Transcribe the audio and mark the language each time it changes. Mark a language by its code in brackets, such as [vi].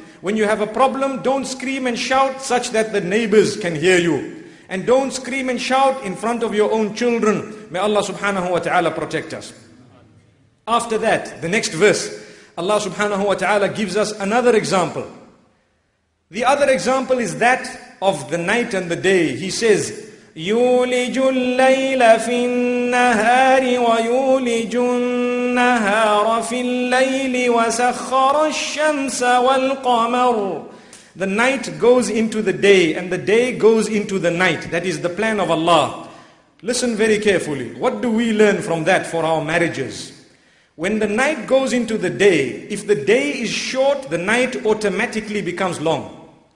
[en] When you have a problem, don't scream and shout such that the neighbors can hear you. And don't scream and shout in front of your own children. May Allah subhanahu wa ta'ala protect us. After that, the next verse, Allah subhanahu wa ta'ala gives us another example. The other example is that of the night and the day. He says, [ar] يُولِجُ اللَّيْلَ فِي النَّهَارِ وَيُولِجُ النَّهَارَ فِي اللَّيْلِ وَسَخَّرَ الشَّمْسَ وَالْقَمَرُ. [en] The night goes into the day and the day goes into the night. That is the plan of Allah. Listen very carefully. What do we learn from that for our marriages? When the night goes into the day, if the day is short, the night automatically becomes long.